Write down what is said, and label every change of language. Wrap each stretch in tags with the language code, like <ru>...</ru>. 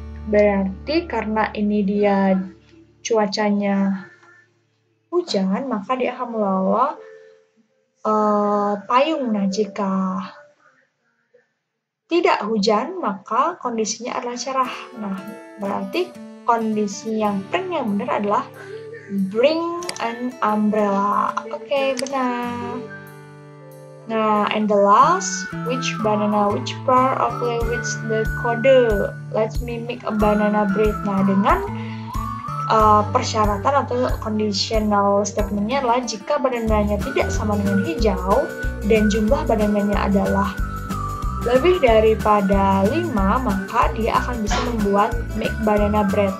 <id>Berarti karena ini dia cuacanya hujan, maka dia akan membawa payung. Nah, jika tidak hujan, maka kondisinya adalah cerah. Nah, berarti kondisi yang print yang benar adalah</id> <en>bring an umbrella.</en> <id>Oke, benar.</id> <en>Nah, and the last, which banana, which part of which the code? Let me make a banana bread.</en> <id>Nah, dengan persyaratan atau conditional statement-nya adalah jika badannya tidak sama dengan hijau dan jumlah badannya adalah lebih daripada 5, maka dia akan bisa membuat</id> <en>make banana bread.</en>